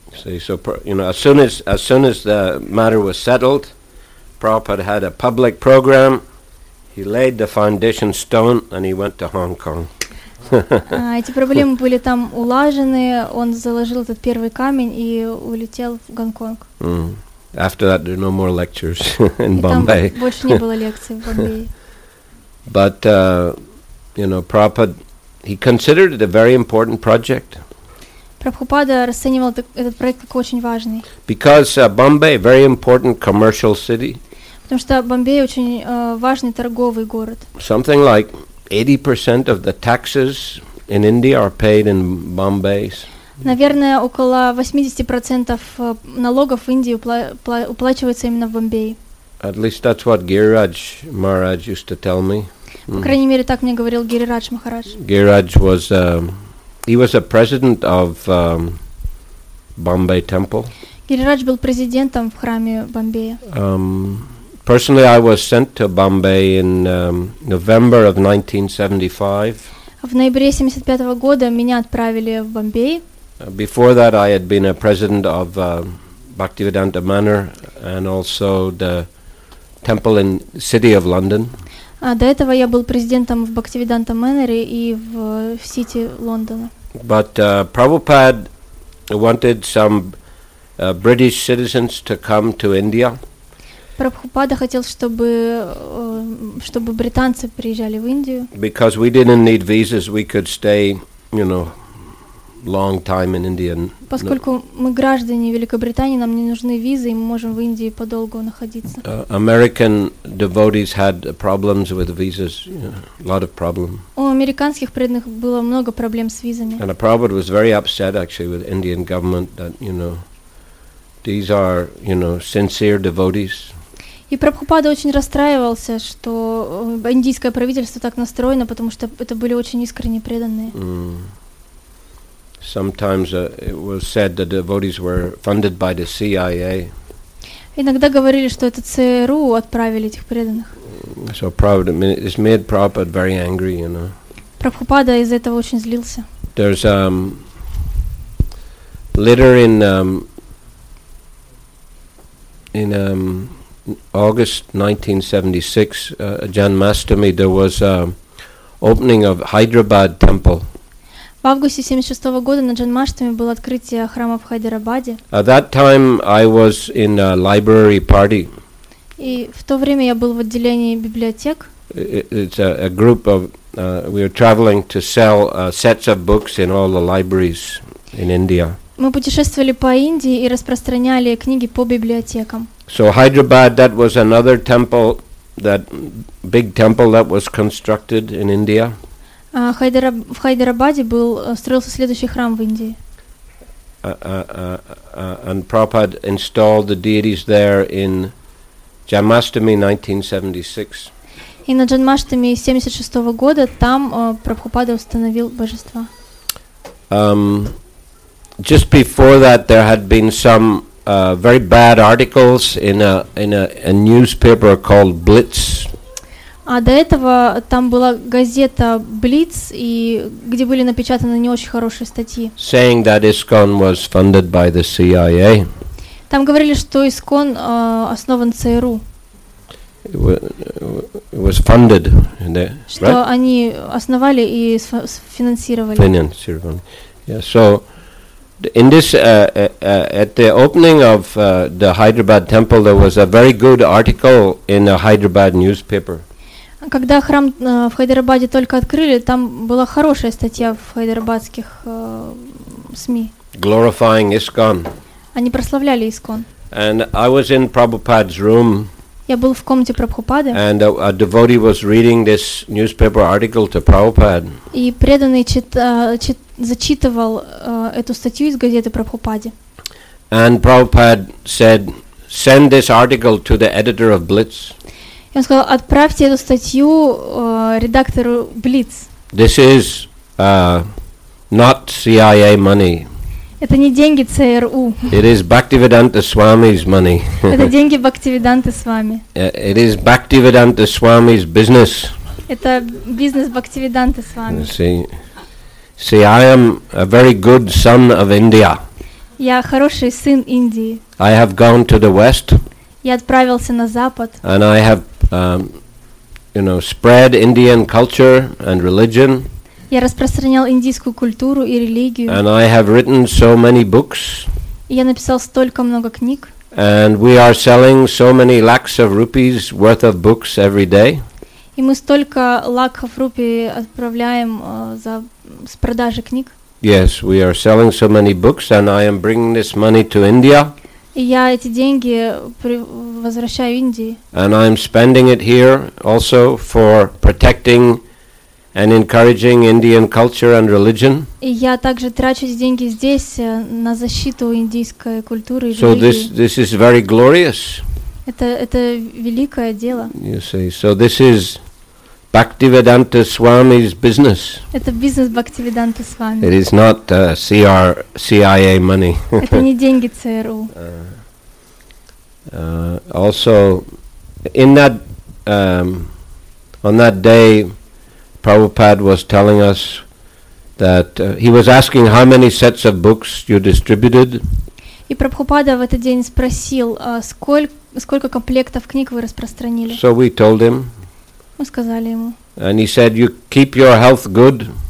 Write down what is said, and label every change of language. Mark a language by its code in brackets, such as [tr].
[en] So you know, as soon as the matter was settled, Prabhupada had a public program. He laid the foundation stone and he went to Hong Kong. [ru] Эти проблемы были там улажены. Он заложил этот первый камень и улетел в Гонконг. [en] After that, there are no more lectures in Bombay. [ru] Там больше не было лекций в Бомбее. [en] But you know, Prabhupada, he considered it a very important project. [ru] Прабхупада расценивал этот проект как очень важный. [en] Because Bombay, very important commercial city. [ru] Потому что Бомбей очень важный торговый город. [en] Something like 80% of the taxes in India are paid in Bombay. [ru] Наверное, около 80% налогов в Индии уплачивается именно в Бомбее. [en] At least that's what Гирирадж Махарадж used to tell me. [ru] По крайней мере, так мне говорил Гирирадж Махарадж. [en] Гирирадж was he was a president of Bombay Temple. [ru] Гирирадж был президентом в храме Бомбея. [en] Personally, I was sent to Bombay in November of 1975. [ru] В ноябре 75 года меня отправили в Бомбей. [en] Before that, I had been a president of Bhaktivedanta Manor and also the temple in City of London. [ru] До этого я был президентом в Бхактивиданта Мэннере и в City Лондона. [en] But Prabhupada wanted some British citizens to come to India. [ru] Прабхупада хотел, чтобы британцы приезжали в Индию. [en] Because we didn't need visas, we could stay, you know, long time in India. [ru] Поскольку мы граждане Великобритании, нам не нужны визы, и мы можем в Индии подолгу находиться. [en] American devotees had problems with visas, you know, a lot of problems. [ru] У американских преданных было много проблем с визами. [en] And Prabhupada was very upset actually with Indian government that, you know, these are, you know, sincere devotees. [ru] И Прабхупада очень расстраивался, что индийское правительство так настроено, потому что это были очень искренне преданные. [en] Sometimes it was said that the devotees were funded by the CIA. [ru] Иногда говорили, что это ЦРУ отправили этих преданных. [en] So Prabhupada, this made Prabhupada very angry, you know. [ru] Прабхупада из-за этого очень злился. [en] There's later in August 1976, Jan Mastami, there was a opening of Hyderabad temple. [ru] В августе 76 года на Джанмаштами было открытие храма в Хайдерабаде. [en] At that time I was in a library party. [ru] И в то время я был в отделении библиотек. [en] It's a group of we were traveling to sell sets of books in all the libraries in India. [ru] Мы путешествовали по Индии и распространяли книги по библиотекам. [en] So Hyderabad, that was another temple, that big temple that was constructed in India. [ru] В Хайдерабаде был строился следующий храм в Индии. [en] And Prabhupada installed the deities there in Janmashtami 1976. [ru] И на Джанмаштами 76 года там Прабхупада установил божества. [en] Just before that, there had been some very bad articles in a newspaper called Blitz. [ru] А до этого там была газета Blitz, и где были напечатаны не очень хорошие статьи. [en] Saying that ISKCON was funded by the CIA. [ru] Там говорили, что ISKCON основан ЦРУ. [en] It was funded there, [ru] что [en] right? [ru] они основали и финансировали. Финансировали. [en] Yeah, so in this at the opening of the Hyderabad temple there was a very good article in a Hyderabad newspaper. [ru] Когда храм в Хайдарабаде только открыли, там была хорошая статья в хайдарабадских СМИ. [en] Glorifying ISKCON. [ru] Они прославляли ISKCON. [en] And I was in Prabhupada's room. [ru] Я был в комнате Прабхупады. [en] And a devotee was reading this newspaper article to Prabhupada. [ru] И преданный зачитывал эту статью из газеты Прабхупаде. [en] And Prabhupada said, "Send this article to the editor of Blitz." [ru] Он сказал, отправьте эту статью редактору Blitz. [en] This is not CIA money. [ru] Это не деньги ЦРУ. [en] It is Bhaktivedanta Swami's money. [ru] Это деньги Бхактивиданты Свами. [en] It is Bhaktivedanta Swami's business. [ru] Это бизнес Бхактивиданты Свами. [en] See, I am a very good son of India. [ru] Я хороший сын Индии. [en] I have gone to the West. [ru] Я отправился на Запад. [en] And I have spread Indian culture and religion. [ru] Я распространял индийскую культуру и религию. [en] And I have written so many books. [ru] Я написал столько много книг. [en] And we are selling so many lakhs of rupees worth of books every day. [ru] И мы столько лакхов рупий отправляем с продажи книг. [en] Yes, we are selling so many books, and I am bringing this money to India. [ru] И я эти деньги возвращаю Индии. [en] And I'm spending it here also for protecting and encouraging Indian culture and religion. [ru] И я также трачу эти деньги здесь на защиту индийской культуры и религии. [en] So this is very glorious. [ru] Это великое дело. [en] You see, so this is Bhaktivedanta Swami's business. [ru] Это бизнес Бхактивиданты Свами. [en] It is not CIA money. [ru] Это не деньги ЦРУ. [en] Also, in that on that day, Prabhupada was telling us that he was asking how many sets of books you distributed. [ru] И Прабхупада в этот день спросил, сколько комплектов книг вы распространили. [en] So we told him. [ru] Мы сказали ему. [en] And he said, "You keep your health good."